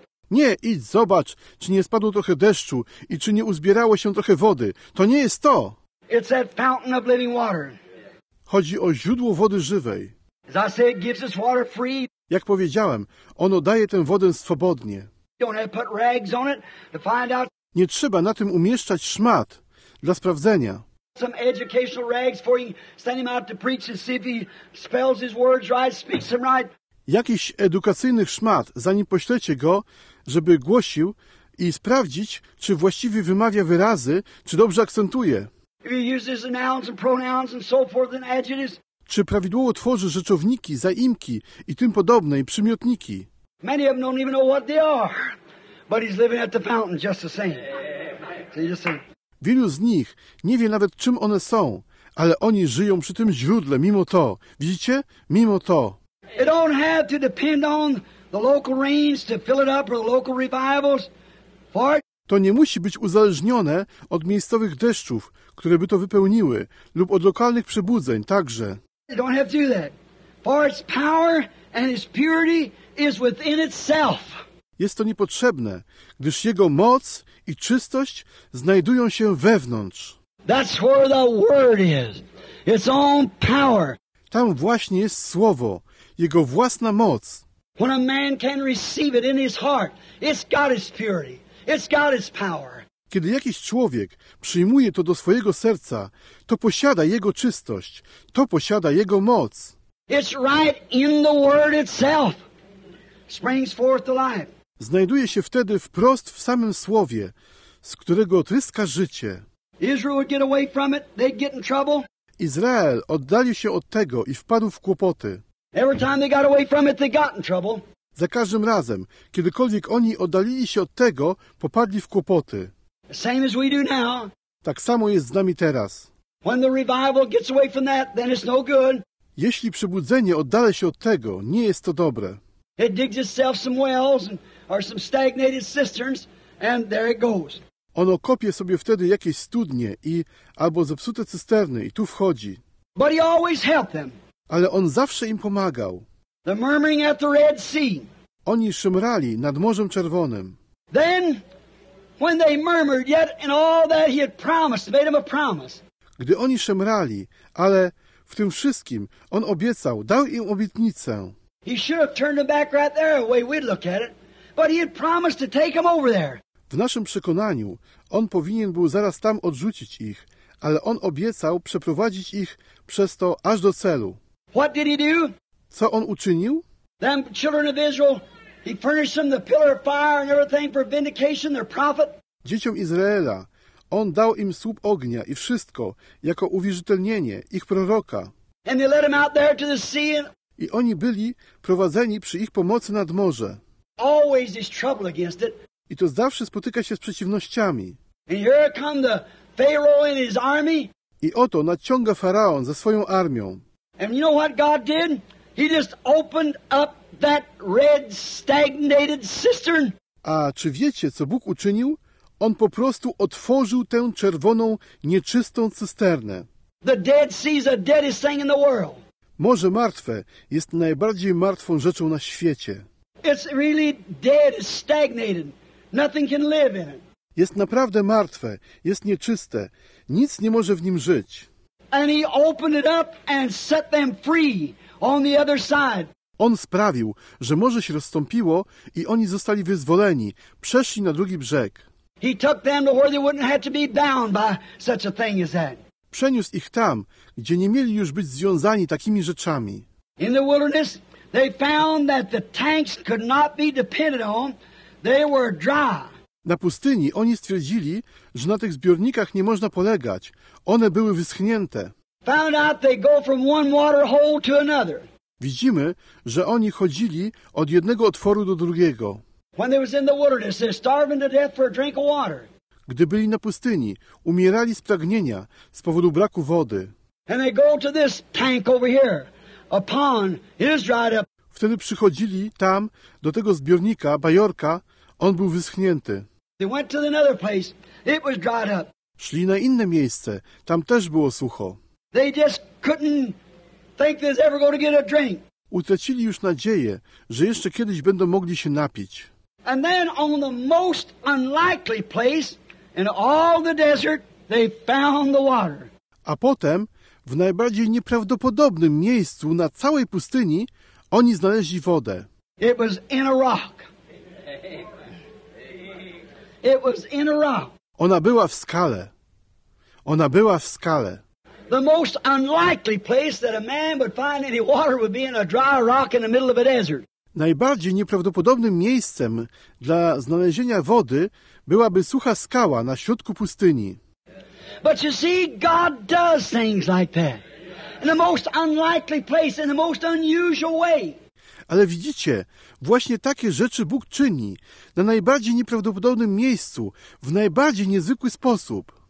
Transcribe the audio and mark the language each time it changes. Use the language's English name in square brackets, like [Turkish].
[Polish] Nie, idź zobacz, czy nie spadło trochę deszczu i czy nie uzbierało się trochę wody. To nie jest to. [English] It's that fountain of living water. [Polish] Chodzi o źródło wody żywej. [English] As I said, gives us water free. [Polish] Jak powiedziałem, ono daje tę wodę swobodnie. [English] Don't have to put rags on it to find out. [Polish] Nie trzeba na tym umieszczać szmat dla sprawdzenia. [English] Some educational rags for you, send him out to preach and see if he spells his words right, speaks them right. [Polish] Jakiś edukacyjnych szmat, zanim poślecie go, żeby głosił i sprawdzić, czy właściwie wymawia wyrazy, czy dobrze akcentuje. [English] If he uses the nouns and pronouns and so forth and adjectives. [Polish] Czy prawidłowo tworzy rzeczowniki, zaimki i tym podobne, i przymiotniki. [English] Many of them don't even know what they are, but he's living at the fountain just the same. So you just say, [Polish] wielu z nich nie wie nawet, czym one są, ale oni żyją przy tym źródle, mimo to. Widzicie? Mimo to. [English] It don't have to depend on the local rains to fill it up or the local revivals. [Polish] To nie musi być uzależnione od miejscowych deszczów, które by to wypełniły, lub od lokalnych przebudzeń także. [English] It don't have to do that. For its power and its purity is within itself. [Polish] Jest to niepotrzebne, gdyż Jego moc i czystość znajdują się wewnątrz. [English] That's where the word is. Its own power. [Polish] Tam właśnie jest Słowo, Jego własna moc. [English] When a man can receive it in his heart, it's got its purity. It's got its power. [Polish] Kiedy jakiś człowiek przyjmuje to do swojego serca, to posiada Jego czystość, to posiada Jego moc. [English] It's right in the word itself. Springs forth to life. [Polish] Znajduje się wtedy wprost w samym Słowie, z którego tryska życie. [English] Israel would get away from it, they'd get in trouble. [Polish] Izrael oddalił się od tego i wpadł w kłopoty. [English] Every time they got away from it, they got in trouble. [Polish] Za każdym razem, kiedykolwiek oni oddalili się od tego, popadli w kłopoty. [English] Same as we do now. [Polish] Tak samo jest z nami teraz. [English] When the revival gets away from that, then it's no good. [Polish] Jeśli przebudzenie oddala się od tego, nie jest to dobre. [English] It digs itself some wells and, or some stagnated cisterns, and there it goes. [Polish] Ono kopie sobie wtedy jakieś studnie i albo zepsute cysterny i tu wchodzi. [English] But he always helped them. [Polish] Ale on zawsze im pomagał. [English] The murmuring at the Red Sea. [Polish] Oni szemrali nad Morzem Czerwonym. [English] Then, when they murmured, yet in all that he had promised, made him a promise. [Polish] Gdy oni szemrali, ale w tym wszystkim on obiecał, dał im obietnicę. [English] He should have turned them back right there, the way we'd look at it. But he had promised to take them over there. [Polish] W naszym przekonaniu, on powinien był zaraz tam odrzucić ich, ale on obiecał przeprowadzić ich przez to aż do celu. [English] What did he do? [Polish] Co on uczynił? [English] Them children of Israel, he furnished them the pillar of fire and everything for vindication, their prophet. [Polish] Dzieciom Izraela, on dał im słup ognia i wszystko, jako uwierzytelnienie ich proroka. [English] And they led him out there to the sea. [Polish] I oni byli prowadzeni przy ich pomocy nad morze. [English] Always there's trouble against it. [Polish] I to zawsze spotyka się z przeciwnościami. [English] And here come the Pharaoh and his army. [Polish] I oto nadciąga Faraon ze swoją armią. [English] And you know what God did? He just opened up that red stagnated cistern. [Polish] A czy wiecie, co Bóg uczynił? On po prostu otworzył tę czerwoną, nieczystą cysternę. [English] The Dead Sea is the deadest thing in the world. [Polish] Morze Martwe jest najbardziej martwą rzeczą na świecie. [English] It's really dead, stagnated. Nothing can live in it. [Polish] Jest naprawdę martwe, jest nieczyste. Nic nie może w nim żyć. [English] And he opened it up and set them free on the other side. [Polish] On sprawił, że morze się rozstąpiło i oni zostali wyzwoleni, przeszli na drugi brzeg. [English] He took them to where they wouldn't have to be bound by such a thing as that. [Polish] Przeniósł ich tam, gdzie nie mieli już być związani takimi rzeczami. [English] In the wilderness, they found that the tanks could not be depended on. They were dry. [Polish] Na pustyni oni stwierdzili, że na tych zbiornikach nie można polegać. One były wyschnięte. [English] Found out they go from one water hole to another. [Polish] Widzimy, że oni chodzili od jednego otworu do drugiego. [English] When they was in the wilderness, they're starving to death for a drink of water. [Polish] Gdy byli na pustyni, umierali z pragnienia z powodu braku wody. [English] And they go to this tank over here, a pond. It is dried up. [Polish] Wtedy przychodzili tam do tego zbiornika, bajorka. On był wyschnięty. [English] They went to another place. It was dried up. [Polish] Szli na inne miejsce. Tam też było sucho. [English] They just couldn't think they're ever going to get a drink. [Polish] Utracili już nadzieję, że jeszcze kiedyś będą mogli się napić. [English] And then on the most unlikely place in all the desert, they found the water. [Polish] A potem, w najbardziej nieprawdopodobnym miejscu na całej pustyni, oni znaleźli wodę. [English] It was in a rock. It was in a rock. [Polish] Ona była w skale. Ona była w skale. [English] The most unlikely place that a man would find any water would be in a dry rock in the middle of a desert. [Polish] Najbardziej nieprawdopodobnym miejscem dla znalezienia wody byłaby sucha skała na środku pustyni. [English] But you see, God does things like that. In the most unlikely place, in the most unusual way. [Polish] Ale widzicie, właśnie takie rzeczy Bóg czyni na najbardziej nieprawdopodobnym miejscu, w najbardziej niezwykły sposób.